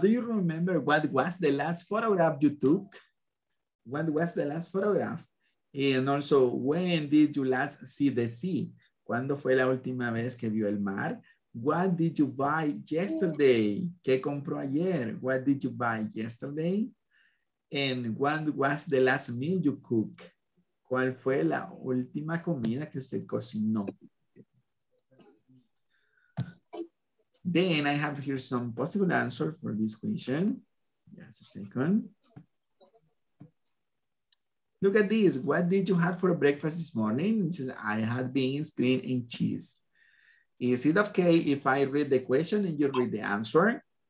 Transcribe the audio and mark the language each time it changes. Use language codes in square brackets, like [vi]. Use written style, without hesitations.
[en] Do you remember what was the last photograph you took? What was the last photograph? And also, when did you last see the sea? [es] ¿Cuándo fue la última vez que vio el mar? [en] What did you buy yesterday? [es] ¿Qué compró ayer? [en] What did you buy yesterday? And what was the last meal you cook? [es] ¿Cuál fue la última comida que usted cocinó? [en] Then I have here some possible answer for this question. Just a second. Look at this. What did you have for breakfast this morning? It says, I had beans, green, and cheese. Is it okay if I read the question and you read the answer?